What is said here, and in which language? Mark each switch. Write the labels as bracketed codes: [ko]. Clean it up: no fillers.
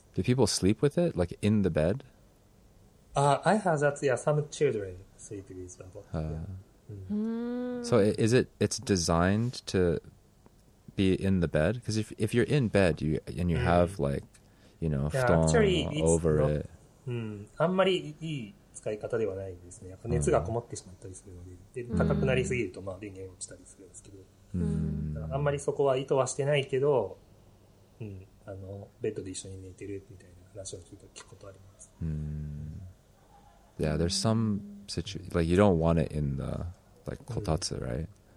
[en] Do people sleep with it? Like in the bed? I have that, yeah, some children sleep with it. So is it, it's designed to... be in the bed? Because if you're in bed you, and you have like, you know, yeah, futon over not, it. [ja] あんまりいい使い方ではないですね。やっぱ熱がこもってしまったりするので、で高くなりすぎるとまあ電源落ちたりするんですけど、あんまりそこは意図はしてないけど、あのベッドで一緒に寝てるみたいな話を聞くことあります。 [en] Yeah, there's some situation, like you don't want it in the, like, kotatsu, right?